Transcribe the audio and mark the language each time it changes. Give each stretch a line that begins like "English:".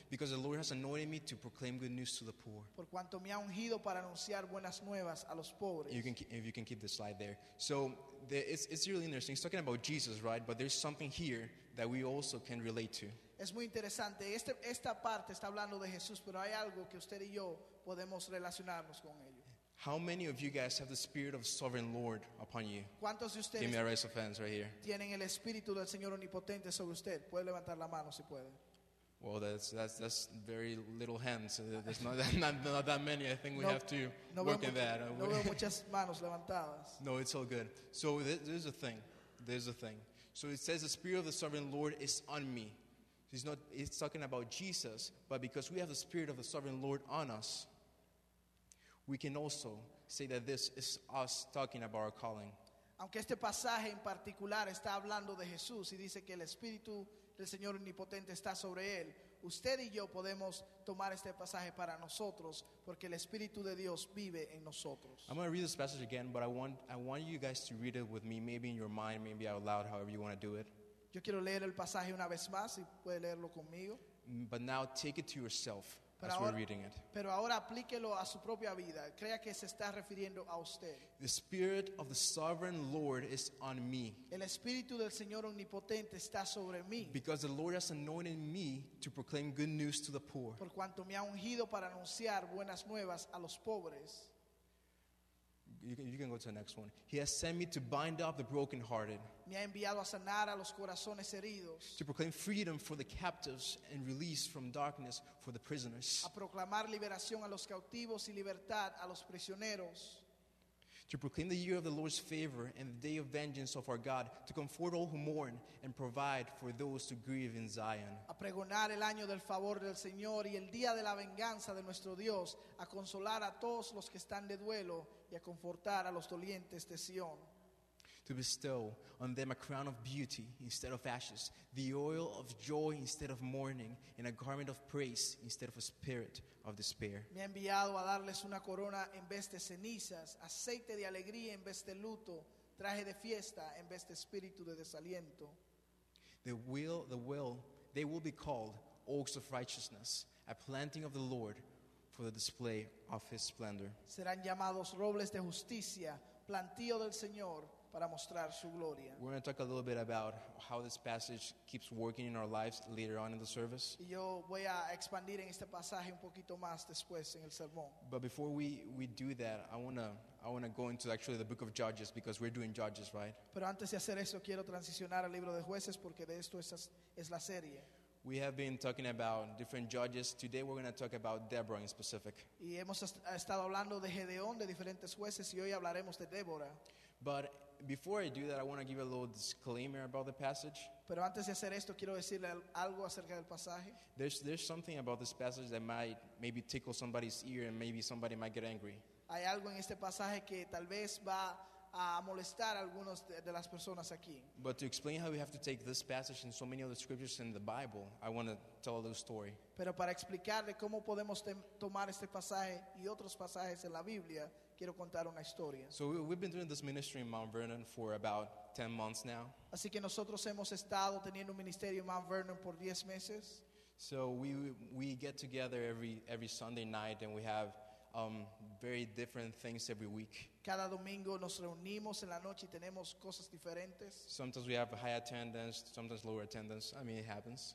English: "Because the Lord has anointed me to proclaim good news to the poor."
Spanish: Por cuanto me ha ungido para anunciar buenas nuevas a los pobres.
English: If you can keep the slide there. So it's really interesting. It's talking about Jesus, right? But there's something here that we also can relate to.
Spanish: Es muy interesante. Esta parte está hablando de Jesús, pero hay algo que usted y yo podemos relacionarnos con ello.
English: How many of you guys have the Spirit of Sovereign Lord upon you?
Spanish: ¿Cuántos de ustedes
English: give me a raise of hands right here.
Spanish: ¿Tienen el Espíritu del Señor Omnipotente sobre usted? Puede levantar la mano si puede.
English: Well, that's very little hands. There's not that many. I think we have to work at that.
Spanish: No veo muchas manos levantadas.
English: No, it's all good. So there's a thing. There's a thing. So it says the Spirit of the Sovereign Lord is on me. It's talking about Jesus, but because we have the Spirit of the Sovereign Lord on us, we can also say that this is us talking about our calling.
Spanish: Aunque este pasaje en particular está hablando de Jesús y dice que el Espíritu del Señor Omnipotente está sobre él, usted y yo podemos tomar este pasaje para nosotros porque el Espíritu de Dios vive en nosotros.
English: I'm going to read this passage again, but I want you guys to read it with me, maybe in your mind, maybe out loud, however you want to do it.
Spanish: Yo quiero leer el pasaje una vez más, si puede leerlo conmigo.
English: But now take it to yourself
Spanish: pero
English: as
Spanish: ahora,
English: we're reading it.
Spanish: Pero ahora aplíquelo a su propia vida. Crea que se está refiriendo a usted.
English: The Spirit of the Sovereign Lord is on me.
Spanish: El Espíritu del Señor Omnipotente está sobre mí.
English: Because the Lord has anointed me to proclaim good news to the poor.
Spanish: Por cuanto me ha ungido para anunciar buenas nuevas a los pobres.
English: You can go to the next one. He has sent me to bind up the brokenhearted.
Spanish: Me ha enviado a sanar a los corazones heridos.
English: To proclaim freedom for the captives and release from darkness for the prisoners.
Spanish: A proclamar liberación a los cautivos y libertad a los prisioneros.
English: To proclaim the year of the Lord's favor and the day of vengeance of our God. To comfort all who mourn and provide for those who grieve in Zion.
Spanish: A pregonar el año del favor del Señor y el día de la venganza de nuestro Dios. A consolar a todos los que están de duelo y a confortar a los dolientes de Sion.
English: To bestow on them a crown of beauty instead of ashes, the oil of joy instead of mourning, and a garment of praise instead of a spirit of despair.
Spanish: Me ha enviado a darles una corona en vez de cenizas, aceite de alegría en vez de luto, traje de fiesta en vez de espíritu de desaliento.
English: They will be called oaks of righteousness, a planting of the Lord for the display of his splendor.
Spanish: Serán llamados robles de justicia, plantío del Señor. Para mostrar su gloria.
English: We're going to talk a little bit about how this passage keeps working in our lives later on in the service.
Spanish: Yo voy a expandir en este pasaje un poquito más después en el sermón.
English: But before we do that, I want to go into actually the book of Judges because we're doing Judges, right?
Spanish: Pero antes de hacer eso quiero transicionar al libro de jueces porque de esto es la serie.
English: We have been talking about different judges. Today we're going to talk about Deborah in specific.
Spanish: Y hemos estado hablando de Gedeón, de diferentes jueces, y hoy hablaremos de Débora.
English: But before I do that, I want to give a little disclaimer about the passage.
Spanish: Pero antes de hacer esto, quiero decirle algo acerca del pasaje.
English: There's something about this passage that might maybe tickle somebody's ear and maybe somebody might get angry.
Spanish: Hay algo en este pasaje que tal vez va a molestar a algunos de las personas aquí.
English: But to explain how we have to take this passage and so many other scriptures in the Bible, I want to tell a little story.
Spanish: Pero para explicarle cómo podemos tomar este pasaje y otros pasajes en la Biblia, quiero contar una historia.
English: So we've been doing this ministry in Mount Vernon for about 10 months now.
Spanish: Así que nosotros hemos estado teniendo un ministerio en Mount Vernon por 10 meses.
English: So we get together every Sunday night and we have very different things every week.
Spanish: Cada domingo nos reunimos en la noche y tenemos cosas diferentes.
English: Sometimes we have a high attendance, sometimes lower attendance. I mean, it happens.